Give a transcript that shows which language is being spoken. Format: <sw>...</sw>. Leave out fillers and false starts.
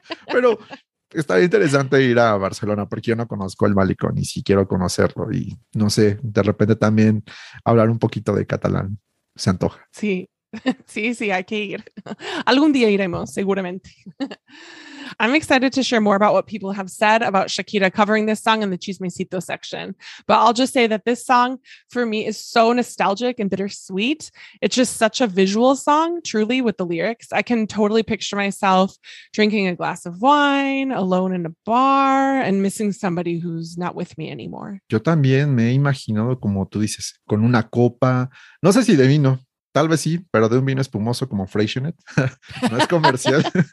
<es>Pero está interesante ir a Barcelona porque yo no conozco el Malecón y sí quiero conocerlo. Y no sé, de repente también hablar un poquito de catalán se antoja. Sí, sí, sí, hay que ir. Algún día iremos, seguramente.</es> <en>I'm excited to share more about what people have said about Shakira covering this song in the Chismecito section, but I'll just say that this song for me is so nostalgic and bittersweet. It's just such a visual song, truly, with the lyrics. I can totally picture myself drinking a glass of wine, alone in a bar, and missing somebody who's not with me anymore.</en> <es>Yo también me he imaginado, como tú dices, con una copa, no sé si de vino, tal vez sí, pero de un vino espumoso como Freixenet. No es comercial.</es>